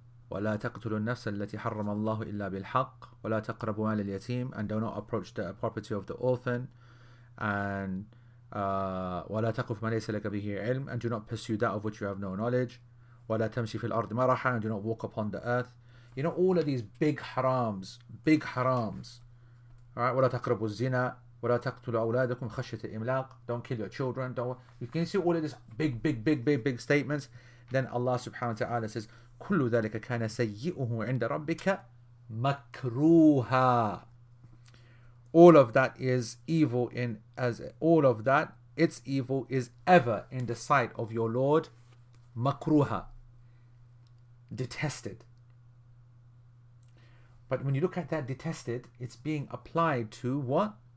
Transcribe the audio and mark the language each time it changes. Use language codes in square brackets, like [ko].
[ar] وَلَا تَقْتُلُ النَّفْسَ الَّتِي حَرَّمَ اللَّهُ إِلَّا بِالْحَقِّ وَلَا تَقْرَبُوا مَالَ الْيَتِيمِ, [en] and do not approach the property of the orphan, and [ar] وَلَا تَقْفُ مَا لَيْسَ لَكَ بِهِ عِلْمٍ, [en] and do not pursue that of which you have no knowledge, [ar] وَلَا تَمْشِ فِي الْأَرْضِ مَرَحًا, [en] and do not walk upon the earth. You know, all of these big harams, right? [ar] وَلَا تَقْرَبُوا الزِّنَا, وَلَا تَقْتُلُوا أَوْلَادَكُمْ خَشْيَةَ الْإِمْلَاقِ, [en] don't kill your children. Don't. You can see all of these big statements. Then Allah subhanahu wa ta'ala says, [ar] كل ذلك كان سيئه عند ربك مكروها. [en] All of that is evil in as all of that its evil is ever in the sight of your Lord, مكروها, detested. But when you look at that detested, it's being applied to what?